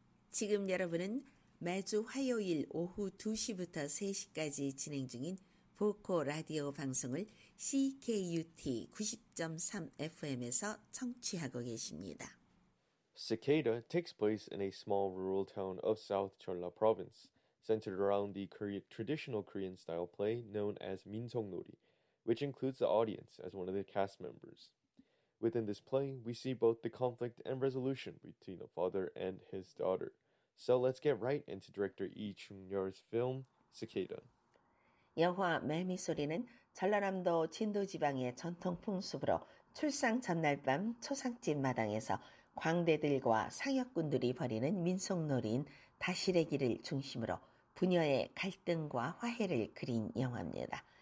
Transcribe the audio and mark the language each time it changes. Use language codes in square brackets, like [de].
[ko] 지금 여러분은 매주 화요일 오후 2시부터 3시까지 진행 중인 보코 라디오 방송을 CKUT 90.3 FM에서 청취하고 계십니다. [en] Cicada takes place in a small rural town of South Jeolla Province, centered around the traditional Korean-style play known as Minseongnori, which includes the audience as one of the cast members. Within this play, we see both the conflict and resolution between the father and his daughter. So let's get right into director Lee Chung-yeol's film, Cicada. [ko] 영화 매미소리는 전라남도 진도지방의 전통풍습으로 출상 전날 밤 초상집 마당에서 광대들과 상여꾼들이 벌이는 민속놀이인 다시래기를 중심으로 부녀의 갈등과 화해를 그린 영화입니다.